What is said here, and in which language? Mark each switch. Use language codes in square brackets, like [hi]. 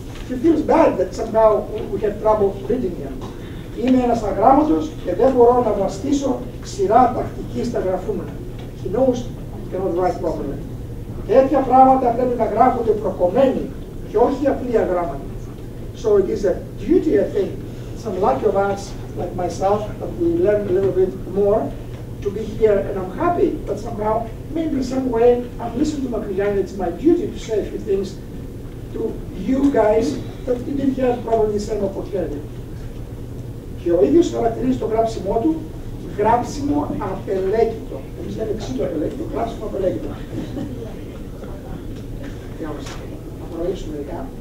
[en] It feels bad that somehow we have trouble reading him. [el] Είμαι ένας αγράμματος και δεν μπορώ να βαστήσω ξηρά τακτική στα γραφούμενα. [en] He knows he cannot write properly. [el] Τέτοια πράγματα πρέπει να γράφονται προκομμένοι και όχι απλή αγράμματα. [en] So it is a duty, I think, some lucky of us, like myself, that we learn a little bit more to be here, and I'm happy that somehow, maybe some way, I'm listening to Makrigiani, it's my duty to say a few things to you guys that you didn't have probably the same opportunity. [el] Και ο ίδιος χαρακτηρίζει το γράψιμό του, γράψιμο απελέκητο. Εμείς λέμε εξίτο απελέκητο, γράψιμο απελέκητο. Διάβασα, θα προλήσουμε μερικά.